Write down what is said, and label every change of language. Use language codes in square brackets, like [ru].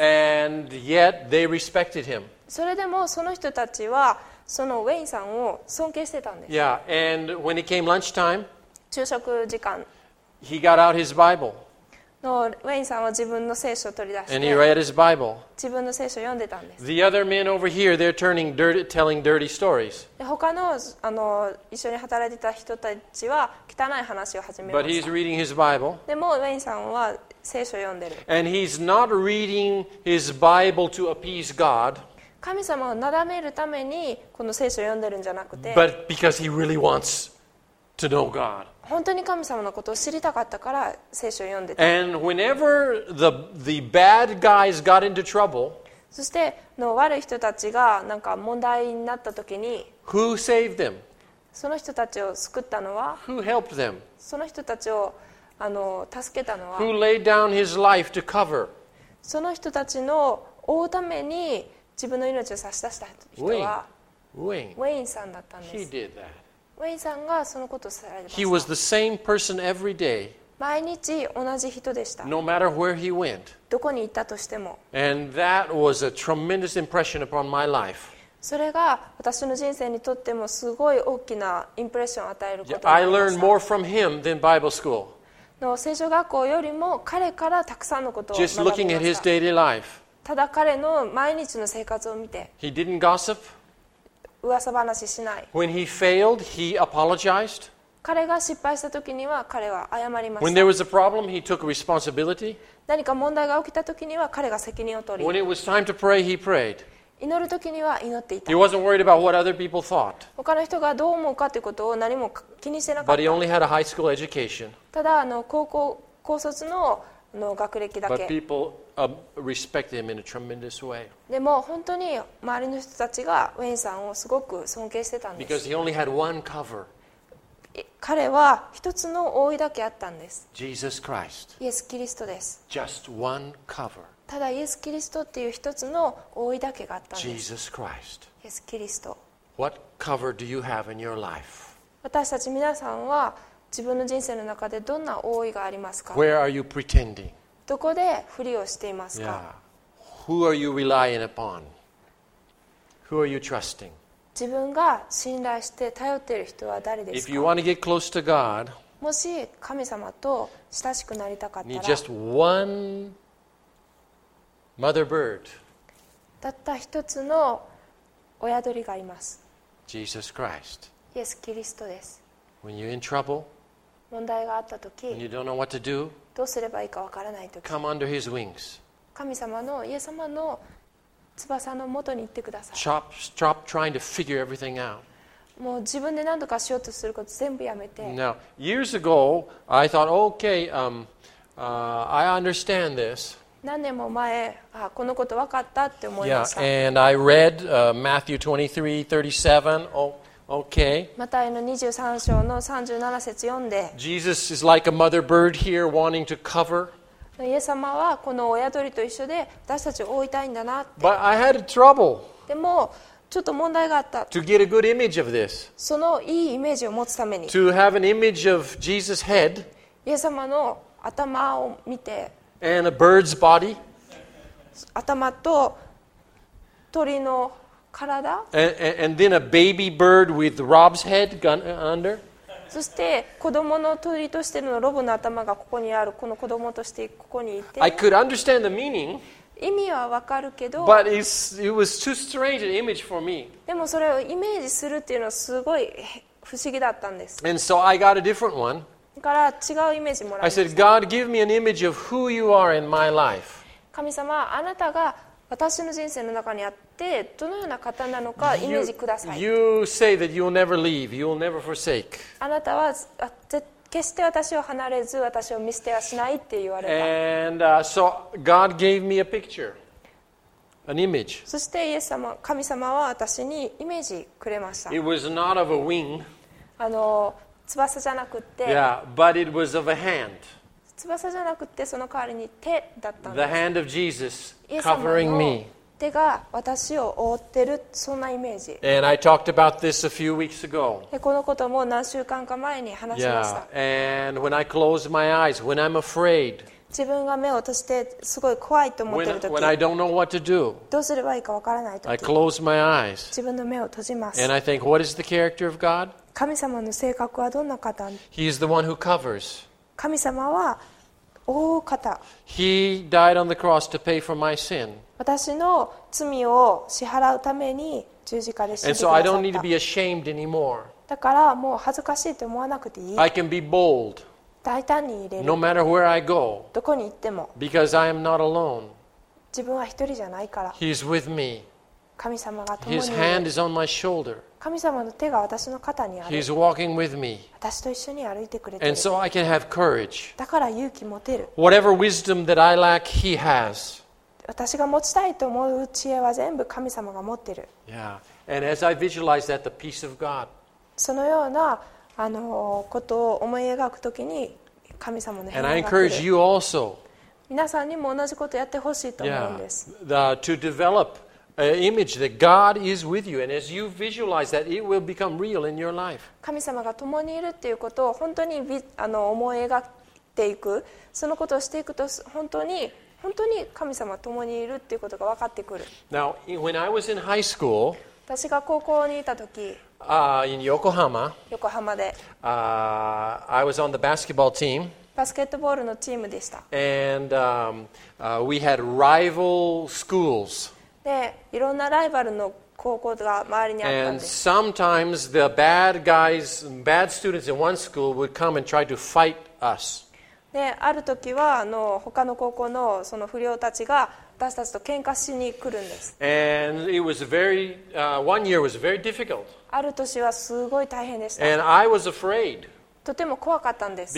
[en] And yet they respected him. [ja] それでもその人たちは、そのウェインさんを尊敬してたんです。 [en] Yeah, and when it came lunchtime, [ja] 昼食時間、 [en] he got out his Bible. [ja] のウェインさんは自分の聖書を取り出して [en] And he read his Bible. [ja] 自分の聖書を読んでたんです。 [en] The other men over here, they're turning dirty, telling dirty stories. [ja] 他の、 あの一緒に働いてた人たちは汚い話を始めました。 [en] But he's reading his Bible. [ja] でもウェインさんは聖書を読んでる。 [en] And he's not reading his Bible to appease God. [ja] 神様をなだめるためにこの聖書を読んでるんじゃなくて [en] But because he really wants to know God. [ja] 本当に神様のことを知りたかったから聖書を読んでた。 [en] And whenever the bad guys got into trouble, [ja] そしての悪い人たちがなんか問題になった時に、 [en] who saved them? [ja] その人たちを救ったのは、 [en] who helped them? [ja] その人たちをあの助けたのは、 [en] who laid down his life to cover? [ja] その人たちの追うために自分の命を差し出した人は、ウェインさんだったんです。 [en] He did that. [ja] ウェインさんがそのことをされました。 [en] He was the same person every day. [ja] 毎日同じ人でした。 [en] No matter where he went. [ja] どこに行ったとしても。 [en] And that was a tremendous impression upon my life. [ja] それが私の人生にとってもすごい大きなインプレッションを与えることになりました。 [en] I learned more from him than Bible school. [ja] の聖書学校よりも彼からたくさんのことを学びました。 [en] Just looking at his daily life. [ja] ただ彼の毎日の生活を見て。 [en] He didn't gossip. [ja] 噂話しない。 [en] When he failed, he apologized. [ja] 彼が失敗した時には彼は謝りました。 [en] When there was a problem, he took responsibility. [ja] 何か問題が起きた時には彼が責任を取り。 [en] When it was time to pray, he prayed. [ja] 祈る時には祈っていた。 [en] He wasn't worried about what other people thought. [ja] 他の人がどう思うかということを何も気にしてなかった。 [en] But he only had a high school education. [ja] ただあの高卒の学歴だけ。 [en] But peopleRespect him in a tremendous way. [ja] でも本当に周りの人たちがウェインさんをすごく尊敬してたんです。 [en] Because he only had one cover. [ja] 彼は一つの覆いだけあったんです。 [en] Jesus Christ. [ja] イエス・キリストです。 [en] Just one cover. [ja] ただイエス・キリストっていう一つの覆いだけがあったんです。 [en] Jesus Christ. [ja] イエス・キリスト。 [en] What cover do you have in your life? [ja] 私たち皆さんは自分の人生の中でどんな覆いがありますか? [en] Where are you pretending? [ja] どこでふりをしていますか? [en] Yeah. Who are you relying upon? Who are you trusting? [ja] 自分が信頼して頼っている人は誰ですか? [en] If you want to get close to God, [ja] もし神様と親しくなりたかったら、 [en] need just one mother bird. [ja] たった一つの親鳥がいます。 [en] Jesus Christ. [ja] イエス・キリストです。 [en] When you're in trouble, [ja] 問題があったとき、 [en] when you don't know what to do, [ja] どうすればいいかわからないとき、 [en] Come under his wings. [ja] 神様のイエス様の翼の元に行ってください。 [en] Stop trying to figure everything out. [ja] もう自分で何とかしようとすること全部やめて。 [en] Now, years ago, I thought, okay, I understand this. [ja] 何年も前、あ、このことわかったって思いました。 [en] Yeah, and I read Matthew 23:37. Oh, Okay. [ja] マタイの23章の37節読んで。 [en] Jesus is like a mother bird here wanting to cover. [ja] イエス様はこの親鳥と一緒で私たちを覆いたいんだなって。 [en] But I had trouble. [ja] でもちょっと問題があった。 [en] To get a good image of this. [ja] そのいいイメージを持つために。 [en] To have an image of Jesus' head. [ja] イエス様の頭を見て。 [en] And a bird's body. [ja] 頭と鳥の体。 [en] And then a baby bird with Rob's head under. [ja] そして子供の鳥としてのロボの頭がここにある、この子供としてここにいて。 [en] I could understand the meaning. [ja] 意味はわかるけど。 [en] But it was too strange an image for me. [ja] でもそれをイメージするっていうのはすごい不思議だったんです。 [en] And so I got a different one. [ja] だから違うイメージもらいました。 [en] I said, God, give me an image of who you are in my life. [ja] 神様、あなたが私の人生の中にあってどのような方なのかイメージください。 [en] You say that you'll never leave, you'll never forsake. [ja] あなたは決して私を離れず私を見捨てはしないって言われた。 [en] And so God gave me a picture, an image. [ja] そしてイエス様、神様は私にイメージくれました。 [en] It was not of a wing. [ja] 翼じゃなくて。 [en] Yeah, but it was of a hand. [ja] 翼じゃなくてその代わりに手だったんです。 [en] The hand of Jesus covering me. [ja] 手が私を覆ってる、そんなイメージ。 [en] And I talked about this a few weeks ago. [ja] このことも何週間か前に話しました。 [en] Yeah. And when I close my eyes, when I'm afraid. [ja] 自分が目を閉じてすごい怖いと思ってる時。 [en] When I don't know what to do. [ja] どうすればいいかわからない時。 [en] I close my eyes. [ja] 自分の目を閉じます。 [en] And I think, what is the character of God? [ja] 神様の性格はどんな方？ [en] He is the one who covers. [ja] 神様は大方。 [en] He died on the cross to pay for my sin. [ja] 私の罪を支払うために十字架で死んでくださった。だからもう恥ずかしいと思わなくていい。 [en] I can be bold. [ja] 大胆にいれる。 [en] No matter where I go. [ja] どこに行っても。 [en] Because I am not alone. [ja] 自分は一人じゃないから。 [en] He is with me. [ja] 神様が共にいる。 [en] His hand is on my shoulder. [ja] 神様の手が私の肩にある。 [en] He's walking with me. [ja] 私と一緒に歩いてくれている。 [en] And so I can have courage. [ja] だから勇気持てる。 [en] Whatever wisdom that I lack, he has. [ja] 私が持ちたいと思う知恵は全部神様が持ってる。 [en] Yeah. And as I visualize that, the peace of God. [ja] そのようなことを思い描くときに神様の平和が来る。 [en] And I encourage you also. [ja] 皆さんにも同じことやってほしいと思うんです。 [en] Yeah. To develop. An image that God is with you, and as you visualize that, it will become real in your life. [ja] 神様が共にいるっていうことを本当に思い描いていく、そのことをしていくと本当に神様共にいるっていうことが分かってくる。 [en] Now, when I was in high school, [ja] 私が高校にいた時、 [en] in Yokohama, [ja] 横浜で、 [en] I was on the basketball team. [ja] バスケットボールのチームでした。 [en] And we had rival schools. [ja] でいろんなライバルの高校が周りにあったんです [en] 。 And sometimes the bad guys, bad students in one school would come and try to fight us. [ja] で、ある時は他の高校のその不良たちが私たちと喧嘩しに来るんです。 [en] And it was very, one year was very difficult. [ja] ある年はすごい大変でした。 [en] And I was afraid. [ja] とても怖かったんです。